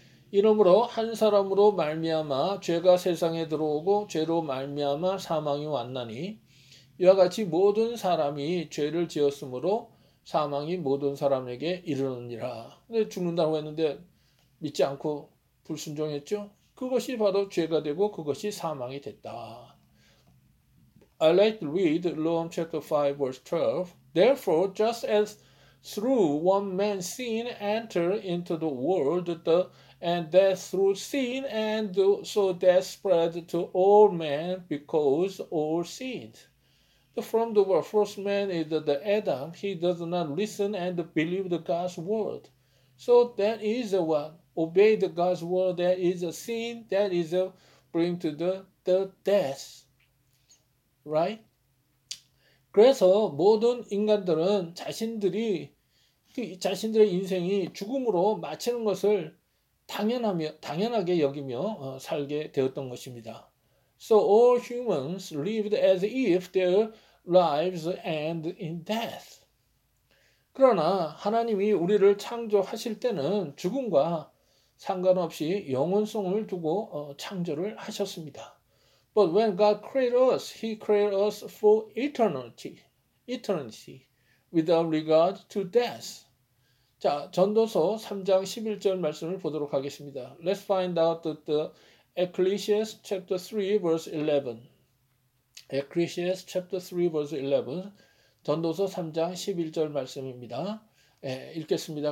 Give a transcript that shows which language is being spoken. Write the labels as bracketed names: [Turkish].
[Korean] 이러므로 한 사람으로 말미암아 죄가 세상에 들어오고 죄로 말미암아 사망이 왔나니 이와 같이 모든 사람이 죄를 지었으므로 사망이 모든 사람에게 이르느니라. 근데 죽는다고 했는데 믿지 않고 불순종했죠? 그것이 바로 죄가 되고 그것이 사망이 됐다. [English] I like to read Romans chapter 5 verse 12. Therefore, just as through one man sin entered into the world, and death through sin, and so death spread to all men because all sinned. From the world, first man is the Adam. He does not listen and believe the God's word. So that is what obey the God's word. That is a sin. That is a bring to the death. Right? [Korean] 그래서 모든 인간들은 자신들이 자신들의 인생이 죽음으로 마치는 것을 당연하게 여기며 살게 되었던 것입니다. [English] So all humans lived as if their lives end in death. [Korean] 그러나 하나님이 우리를 창조하실 때는 죽음과 상관없이 영원성을 두고 창조를 하셨습니다. [English] But when God created us, He created us for eternity without regard to death. [Korean] 자, 전도서 3장 11절 말씀을 보도록 하겠습니다. [English] Let's find out the Ecclesiastes chapter 3 verse 11. Ecclesiastes chapter 3 verse 11. [Korean] 전도서 3장 11절 말씀입니다. 예, 읽겠습니다.